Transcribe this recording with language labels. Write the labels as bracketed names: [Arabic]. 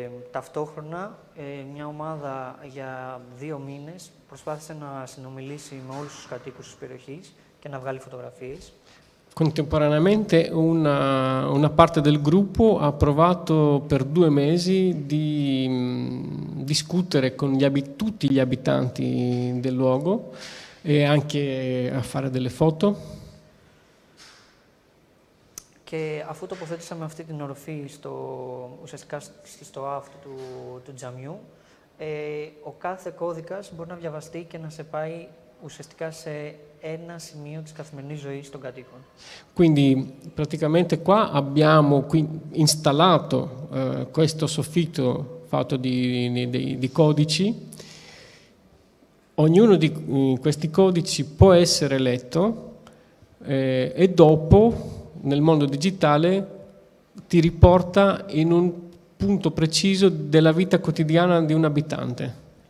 [Greek] Ταυτόχρονα, μια ομάδα για δύο μήνες προσπάθησε να συνομιλήσει με όλους τους κατοίκους της περιοχής και να βγάλει φωτογραφίες. [Italian] Contemporaneamente, una parte del gruppo ha provato per due mesi di discutere con tutti gli abitanti del luogo e anche a fare delle foto. [Greek] Και αφού τοποθέτησαμε αυτή την οροφή ουσιαστικά στο αυτού του τζαμιού, ο κάθε κώδικας μπορεί να διαβαστεί και να σε πάει ουσιαστικά σε ένα σημείο της καθημερινής ζωής των κατοίκων. [Italian] Quindi praticamente qua abbiamo installato questo soffitto fatto di codici. Ognuno di questi codici può essere letto e dopo nel mondo digitale ti riporta in un punto preciso della vita quotidiana di un abitante.